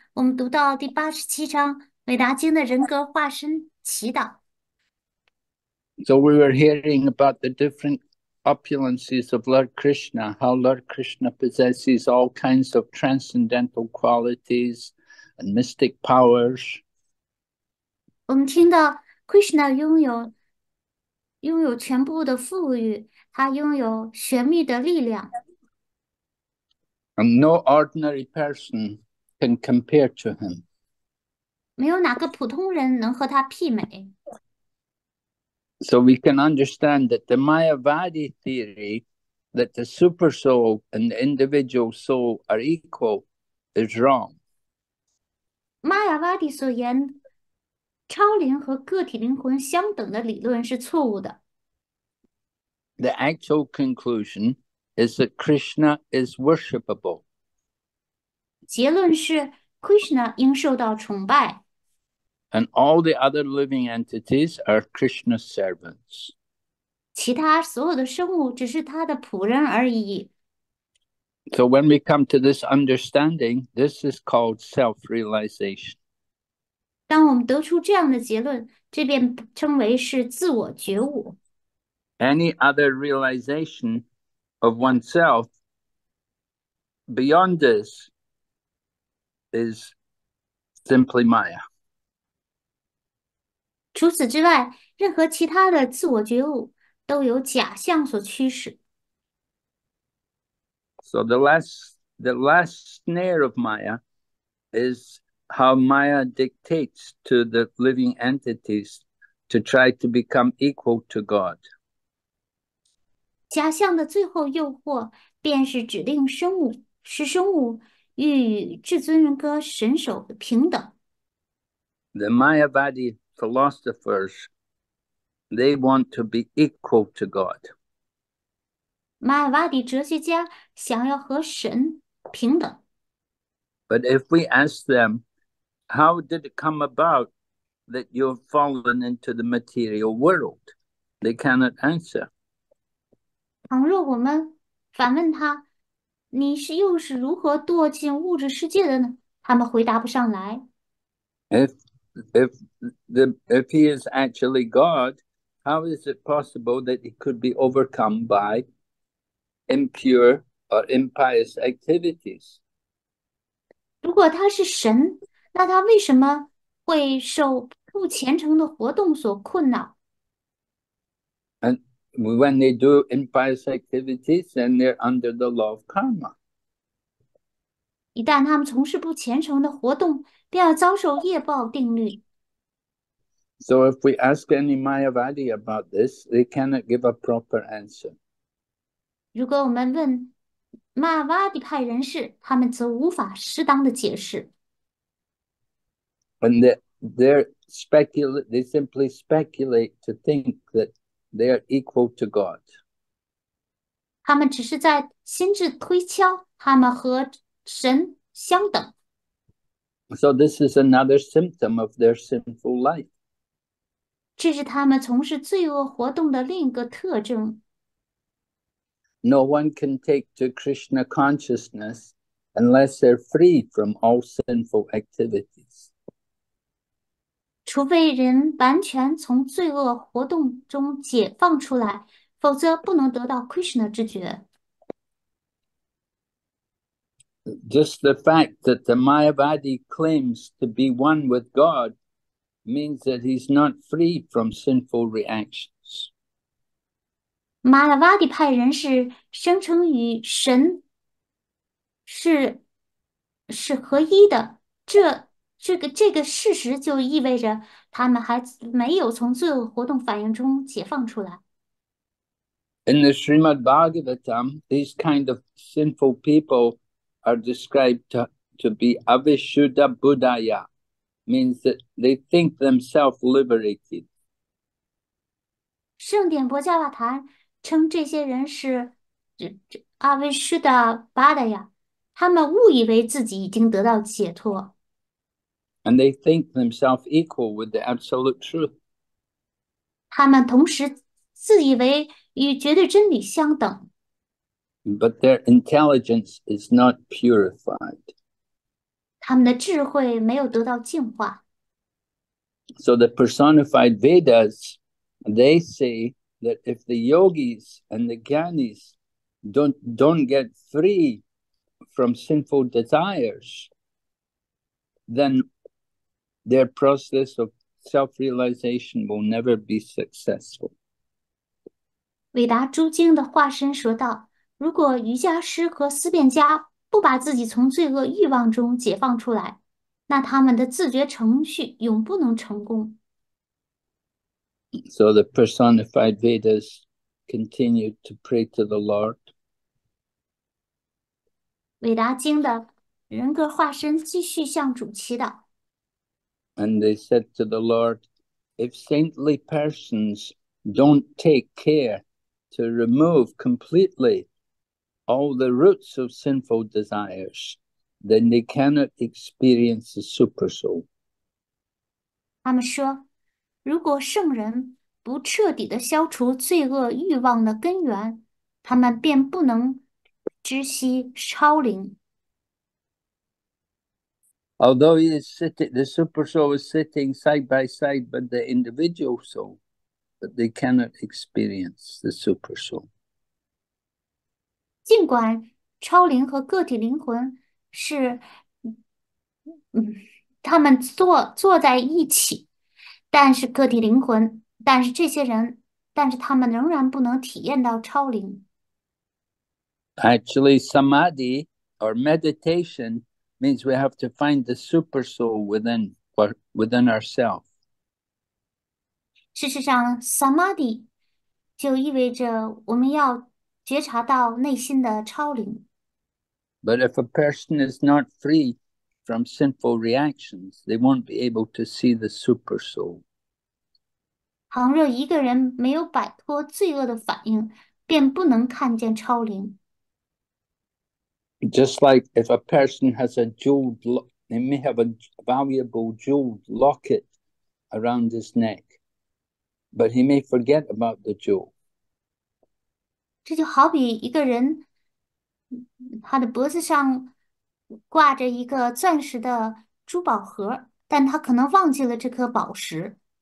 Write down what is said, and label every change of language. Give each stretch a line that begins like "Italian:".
Chinese: 我们读到第87章《韦达经》的人格化身祈祷。
English: So we were hearing about the different opulences of Lord Krishna, how Lord Krishna possesses all kinds of transcendental qualities and mystic powers.
Chinese: 我们听到 Krishna 拥有全部的富裕，他拥有玄秘的力量。
English: And no ordinary person can compare to him.
Chinese: 没有哪个普通人能和他媲美。
English: So we can understand that the Mayavadi theory that the super soul and the individual soul are equal is wrong.
Chinese: Mayavadi 所言，超灵和个体灵魂相等的理论是错误的。
English: The actual conclusion is that Krishna is worshipable.
Chinese: 结论是，Krishna 应受到崇拜。
English: And all the other living entities are Krishna's servants.
Chinese: 其他所有的生物只是他的仆人而已。
English: So when we come to this understanding, this is called self-realization.
Chinese: 当我们得出这样的结论，这便称为是自我觉悟。
English: Any other realization of oneself beyond this is simply Maya.
Chinese: 除此之外，任何其他的自我觉悟都由假象所驱使。
English: So the last snare of Maya is how Maya dictates to the living entities to try to become equal to God.
Chinese: 假象的最后诱惑，便是指令生物，使生物欲与至尊人格神首平等。
English: The Mayavadi philosophers, they want to be equal to God.
Chinese: Mayavadi 哲学家想要和神平等。
English: But if we ask them, how did it come about that you have fallen into the material world? They cannot answer.
Chinese: 倘若我们反问他，你是又是如何堕进物质世界的呢？他们回答不上来。
English: If he is actually God, how is it possible that he could be overcome by impure or impious activities?
Chinese: 如果他是神，那他为什么会受不虔诚的活动所困扰？
English: When they do impious activities, then they're under the law of karma.
Chinese: 一旦他们从事不虔诚的活动，便要遭受业报定律。
English: So if we ask any Mayavadi about this, they cannot give a proper answer.
Chinese: 如果我们问，曼瓦迪派人士，他们则无法适当的解释。
English: And they simply speculate to think that they are equal to God.
Chinese: 他们只是在心智推敲，他们和神相等。
English: So this is another symptom of their sinful life.
Chinese: 这是他们从事罪恶活动的另一个特征。
English: No one can take to Krishna consciousness unless they're free from all sinful activities.
Chinese: 除非人完全从罪恶活动中解放出来，否则不能得到 Krishna 知觉。
English: Just the fact that the Mayavadi claims to be one with God means that he's not free from sinful reactions.
Chinese: 马拉瓦蒂派人士声称与神是合一的，这个事实就意味着他们还没有从罪恶活动反应中解放出来。
English: In the Srimad Bhagavatam, these kind of sinful people are described to be avishuddha buddhaya, means that they think themselves liberated.
Chinese: 圣典波伽瓦坛称这些人是这阿维师的巴达呀，他们误以为自己已经得到解脱。
English: And they think themselves equal with the absolute truth.
Chinese: 他们同时自以为与绝对真理相等。
English: But their intelligence is not purified.
Chinese: 他们的智慧没有得到净化。
English: So the personified Vedas, they say that if the yogis and the jnanis don't get free from sinful desires, then their process of self-realization will never be successful.
Chinese: 伟达诸经的化身说道：“如果瑜伽师和思辨家不把自己从罪恶欲望中解放出来，那他们的自觉程序永不能成功。
English: So the personified Vedas continued to pray to the Lord.
Chinese: ”伟达经的人格化身继续向主祈祷。
English: And they said to the Lord, if saintly persons don't take care to remove completely all the roots of sinful desires, then they cannot experience the super soul.
Chinese: 他们说，如果圣人不彻底的消除罪恶欲望的根源，他们便不能知悉超灵。
English: Although he is sitting, the super soul is sitting side by side with the individual soul, but they cannot experience the super soul.
Chinese: 尽管超灵和个体灵魂是，他们坐在一起。但是他们仍然不能体验到超灵。
English: Actually, samadhi or meditation means we have to find the super soul within ourselves.
Chinese: 事实上，samadhi 就意味着我们要觉察到内心的超灵。
English: But if a person is not free from sinful reactions, they won't be able to see the super soul.
Chinese: 倘若一个人没有摆脱罪恶的反应，便不能看见超灵。
English: Just like if a person has a jeweled lock, they may have a valuable jeweled locket around his neck, but he may forget about the jewel.
Chinese: 这就好比一个人，他的脖子上挂着一个钻石的珠宝盒，但他可能忘记了这颗宝石。